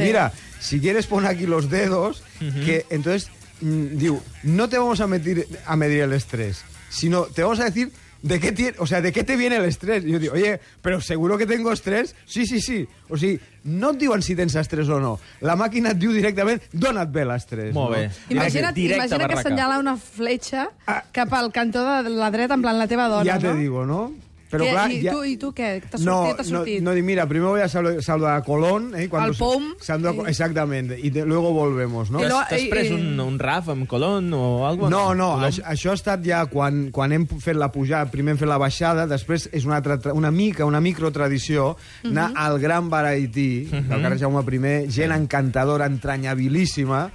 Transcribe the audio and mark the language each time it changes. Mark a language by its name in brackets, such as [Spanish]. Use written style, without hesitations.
[Spanish] I mira, si quieres poner aquí los dedos, que entonces... [Catalan] Diu, [Spanish] no te vamos a medir el estrés, sino te vamos a decir de qué te viene el estrés. Y yo digo, oye, pero seguro que tengo estrés. [Catalan] Sí, sí, sí. O sigui, no et diuen si tens estrès o no. La màquina et diu directament, dona't bé l'estrès. Molt bé. No? Imagina't que assenyala una fletxa cap al cantó de la dreta, en plan la teva dona, ja no? [Spanish] Ja te digo, no? [Catalan] Però, clar, I tu què? T'ha sortit? [Spanish] No, mira, [Catalan] primer [Spanish] voy a saludar a Colón. [Catalan] Al POUM. Exactament. I [Spanish] luego volvemos, [Catalan] no? T'has pres un raf amb Colón o algo? No, no. Això ha estat ja quan hem fet la pujada. Primer hem fet la baixada, després és una microtradició anar al Gran Variety, del carrer Jaume I, gent encantadora, entranyabilíssima.